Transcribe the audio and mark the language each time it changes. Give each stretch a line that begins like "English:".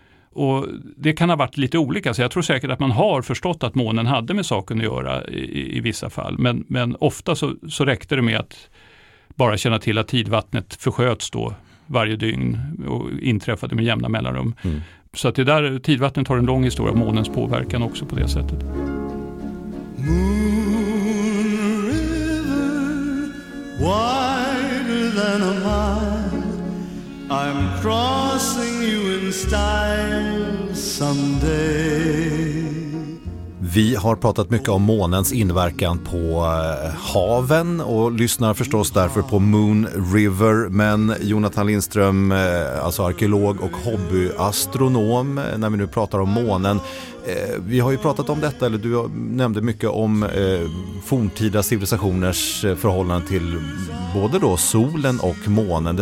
Swedish: Och det kan ha varit lite olika, så jag tror säkert att man har förstått att månen hade med saken att göra i vissa fall. Men ofta så räckte det med att bara känna till att tidvattnet försköts då varje dygn och inträffade med jämna mellanrum. Mm. Så att det där tidvattnet har en lång historia av månens påverkan också på det sättet.
English: Moon river, wider than a mile, I'm crossing you in style someday.
Swedish: Vi har pratat mycket om månens inverkan på haven och lyssnar förstås därför på Moon River. Men Jonathan Lindström, alltså arkeolog och hobbyastronom, när vi nu pratar om månen. Vi har ju pratat om detta, eller du nämnde mycket om forntida civilisationers förhållande till både då solen och månen.